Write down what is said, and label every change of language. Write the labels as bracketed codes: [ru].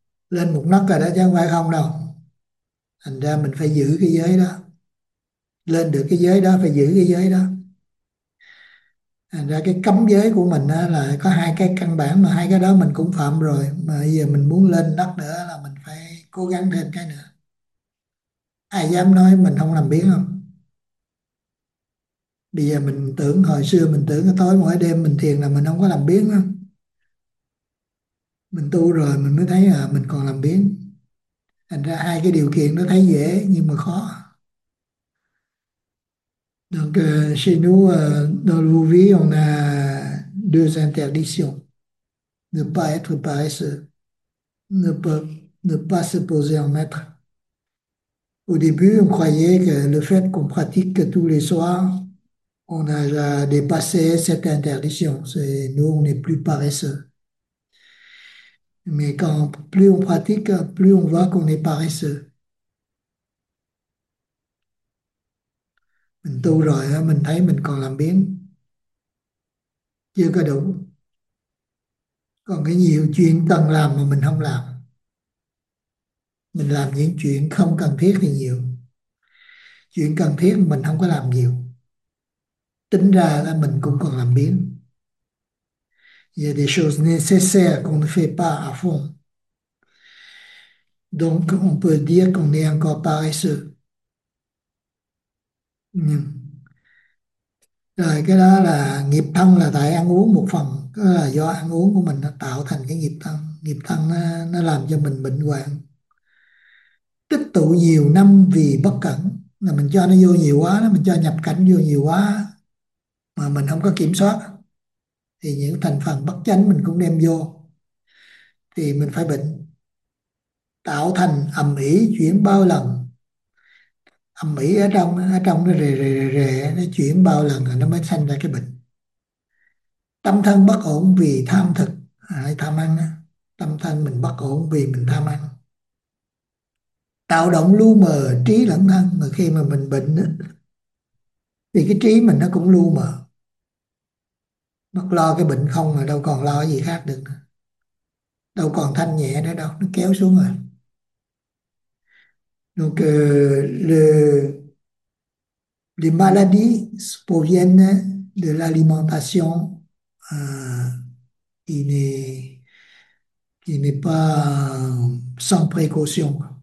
[vi] lên một nấc rồi đó chứ không phải không đâu, thành ra mình phải giữ cái giới đó, lên được cái giới đó phải giữ cái giới đó, thành ra cái cấm giới của mình là có hai cái căn bản, mà hai cái đó mình cũng phạm rồi, mà bây giờ mình muốn lên nấc nữa là mình phải cố gắng thêm cái nữa, ai dám nói mình không làm biếng không, bây giờ mình tưởng hồi xưa mình tưởng cái tối mỗi đêm mình thiền là mình không có làm biếng không, mình tu rồi mình mới thấy là mình còn làm biếng, thành ra hai cái điều kiện nó thấy dễ nhưng mà khó. [fr] Donc, chez nous, dans nos vies, on a deux interdictions. Ne pas être paresseux. Ne pas se poser en maître. Au début, on croyait que le fait qu'on pratique tous les soirs, on a dépassé cette interdiction. C'est, nous, on n'est plus paresseux. Mais quand plus on pratique, plus on voit qu'on est paresseux. [vi] Mình tu rồi mình thấy mình còn làm biếng, chưa có đủ, còn cái nhiều chuyện cần làm mà mình không làm, mình làm những chuyện không cần thiết thì nhiều, chuyện cần thiết mình không có làm nhiều, tính ra là mình cũng còn làm biếng. [fr] Y a des choses nécessaires qu'on ne fait pas à fond. Donc, on peut dire qu'on est encore paresseux. [vi] Rồi cái đó là nghiệp thân là tại ăn uống một phần, đó là do ăn uống của mình nó tạo thành cái nghiệp thân, nghiệp thân nó làm cho mình bệnh hoạn, tích tụ nhiều năm vì bất cẩn là mình cho nó vô nhiều quá đó, mình cho nhập cảnh vô nhiều quá mà mình không có kiểm soát thì những thành phần bất chánh mình cũng đem vô thì mình phải bệnh, tạo thành ầm ĩ chuyển bao lần, âm ỉ ở trong nó rề rề rề nó chuyển bao lần rồi nó mới sanh ra cái bệnh, tâm thân bất ổn vì tham thực hay tham ăn, tâm thân mình bất ổn vì mình tham ăn, tạo động lu mờ trí lẫn thân, mà khi mà mình bệnh đó, thì cái trí mình nó cũng lu mờ, mất lo cái bệnh không mà đâu còn lo gì khác được, đâu còn thanh nhẹ nữa đâu, nó kéo xuống rồi. [fr] Donc, les maladies proviennent de l'alimentation qui n'est pas sans précaution.